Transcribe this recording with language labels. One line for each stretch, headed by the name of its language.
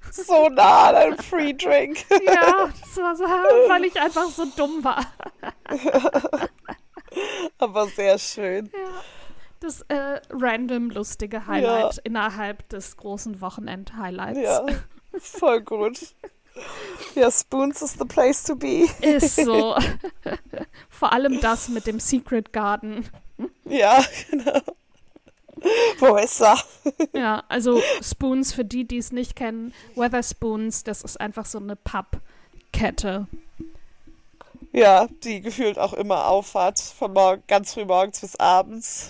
German: So nah an einem Free Drink. Ja, das war so, weil ich einfach so dumm war. Aber sehr schön. Das random lustige Ja. Highlight innerhalb des großen Wochenend-Highlights. Ja, voll gut. Ja,
English: Spoons is the place to be.
German: Ist so. Vor allem das mit dem Secret Garden. Ja, genau. Wo ist er? Ja, also Spoons, für die, die es nicht kennen, Wetherspoons, das ist einfach so eine Pub-Kette. Ja, die gefühlt auch immer auf hat, von morgen, ganz früh morgens bis abends,